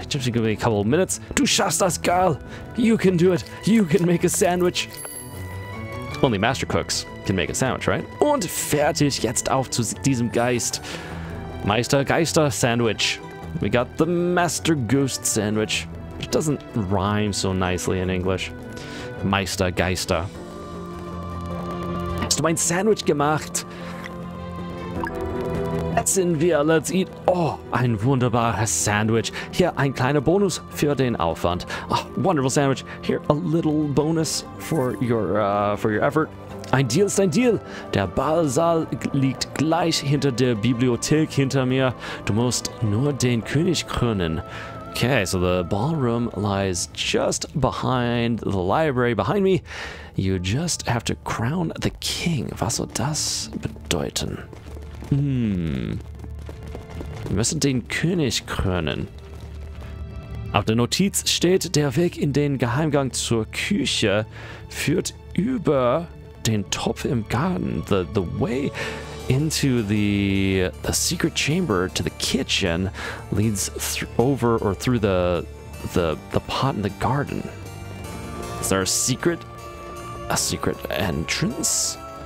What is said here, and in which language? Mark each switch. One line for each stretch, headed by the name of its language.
English: Just give me a couple of minutes.
German: Du schaffst das,
English: Girl. You can do it. You can make a sandwich. Only master cooks can make a sandwich, right?
German: Und fertig, jetzt auf zu diesem Geist. Meister Geister Sandwich.
English: We got the Master Ghost Sandwich. It doesn't rhyme so nicely in English.
German: Meister Geister. Hast du mein Sandwich gemacht? Essen wir,
English: let's eat.
German: Oh, ein wunderbares Sandwich. Hier ein kleiner Bonus für den Aufwand.
English: Oh, wonderful sandwich. Here a little bonus for your effort.
German: Ein Deal ist ein Deal. Der Ballsaal liegt gleich hinter der Bibliothek hinter mir. Du musst nur den König krönen.
English: Okay, so the ballroom lies just behind the library behind me. You just have to crown the king.
German: Was soll das bedeuten? Wir müssen den König krönen. Auf der Notiz steht, der Weg in den Geheimgang zur Küche führt über den Topf im Garten.
English: The way into the secret chamber to the kitchen leads through the pot in the garden. Is there a secret entrance?